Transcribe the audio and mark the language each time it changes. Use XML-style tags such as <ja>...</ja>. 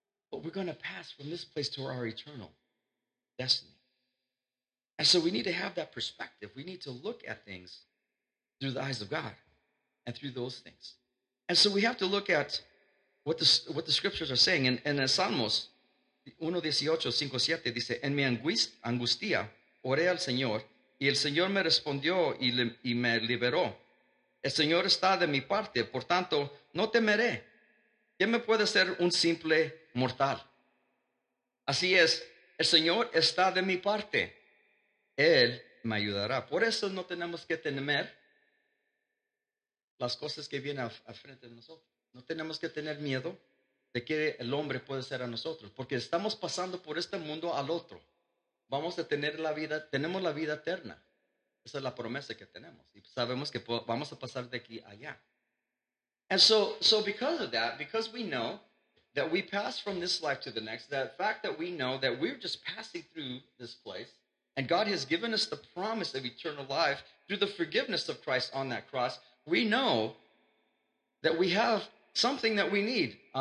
<en>But we're going to pass from this place to our eternal destiny. And so we need to have that perspective. We need to look at things through the eyes of God and through those things. And so we have to look at what the scriptures are saying.</en> <es>In Salmos 118:5-7 dice, "En mi angustia, oré al Señor, y el Señor me respondió y me liberó. El Señor está de mi parte, por tanto, no temeré. ¿Qué me puede hacer un simple mortal?" Así es, el Señor está de mi parte. Él me ayudará. Por eso no tenemos que temer las cosas que vienen a frente de nosotros. No tenemos que tener miedo de que el hombre puede ser a nosotros, porque estamos pasando por este mundo al otro. Vamos a tener la vida, tenemos la vida eterna. Esa es la promesa que tenemos. Y sabemos que vamos a pasar de aquí allá.</es> <en>And so because of that, because we know that we pass from this life to the next, the fact that we know that we're just passing through this place, and God has given us the promise of eternal life through the forgiveness of Christ on that cross, we know that we have something that we need.</en>